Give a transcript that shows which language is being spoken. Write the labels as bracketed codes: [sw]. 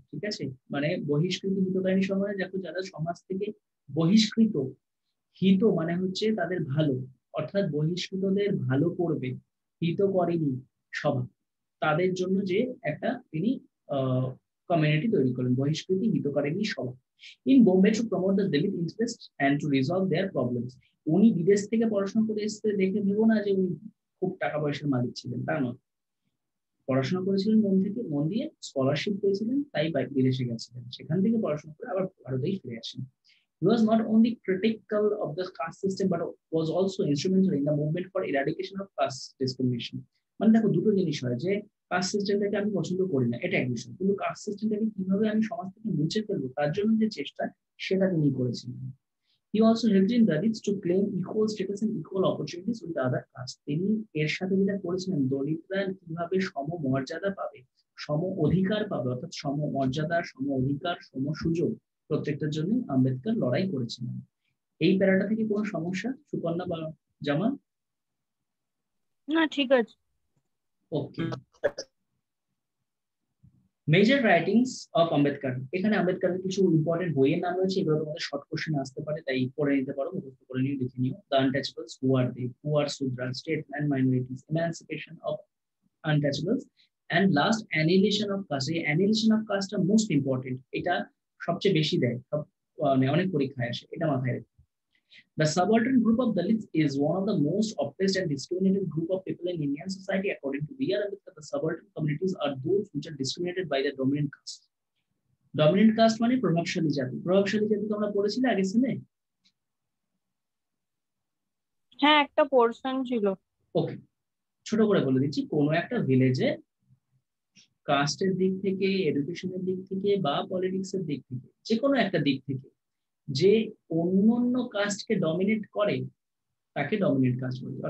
[bn] ঠিক আছে, মানে বহিষ্কৃতি হিতকারিণী সভা দেখো, যারা সমাজ থেকে বহিষ্কৃত, হিত মানে হচ্ছে তাদের ভালো, অর্থাৎ বহিষ্কৃতদের ভালো করবে, হিত করেনি সভা, তাদের জন্য যে একটা তিনি কমিউনিটি তৈরি করেন, বহিষ্কৃতি হিতকারিনী সভা [en] In Bombay to promote the Dalit interest and to resolve their problems. [bn] উনি বিদেশ থেকে পড়াশোনা করে এসে দেখে নিব না যে উনি খুব টাকা পয়সার মালিক ছিলেন, তা নয়, পড়াশোনা করেছিলেন মন থেকে, মন দিয়ে স্কলারশিপ পেয়েছিলেন, তাই বিদেশে গেছিলেন, সেখান থেকে পড়াশোনা করে আবার ভারতেই ফিরে আসেন। [en] He was not only critical of the caste system, but was also instrumental in the movement for eradication of caste discrimination. [bn] মানে দেখো দুটো জিনিস হয়, যে কাস্ট সিস্টেমটাকে আমি পছন্দ করি না এটা এক বিষয়, কিন্তু কাস্ট সিস্টেমটাকে কিভাবে আমি সমাজ থেকে মুছে ফেলবো তার জন্য যে চেষ্টা সেটা তিনি করেছিলেন। [en] He also helped in Dalits to claim equal status and equal opportunities with the other caste. [bn] তিনি এর সাথে যেটা করেছিলেন, দলিতরা কিভাবে সম মর্যাদা পাবে, সম অধিকার পাবে, অর্থাৎ সম মর্যাদা, সম অধিকার, সম সুযোগ প্রত্যেকটার জন্য আম্বেদকর লড়াই করেছিলেন। এই প্যারাটা থেকে কোনো সমস্যা সুকন্যা বা জামান? না, ঠিক আছে। ওকে, [en] major writings of Ambedkar, [bn] এখানে আম্বেদকরের কিছু ইম্পর্টেন্ট বইয়ের নাম রয়েছে, এগুলো তোমাদের শর্ট কোশ্চেন আসতে পারে, তাই পড়ে নিতে পারো, মুখস্থ করে নিয়ে দেখে নিও। [en] The untouchables, who are they, who are Shudra, state and minorities, emancipation of untouchables, and last annihilation of caste. [bn] এই annihilation of caste most important, এটা সবচেয়ে বেশি দেয়, সব মানে অনেক পরীক্ষায় আসে, এটা মাথায় রেখে। [en] The subaltern group of Dalits is one of the most oppressed and discriminated group of people in Indian society. According to B.R. Ambedkar, the subaltern communities are those which are discriminated by the dominant caste. [bn] Dominant caste মানে প্রভাবশালী জাতি। প্রভাবশালী জাতি তো আমরা পড়েছিলে আগে সিনে। হ্যাঁ, একটা পোর্শন ছিল। ওকে, ছোট করে বলে দিচ্ছি, কোন একটা ভিলেজে কাস্টের দিক থেকে, এডুকেশনের দিক থেকে বা পলিটিক্স এর দিক থেকে, যে কোনো একটা দিক থেকে যে অন্য অন্য কাস্টকে ডমিনেট করে তাকে ডমিনেট কাস্ট বলে।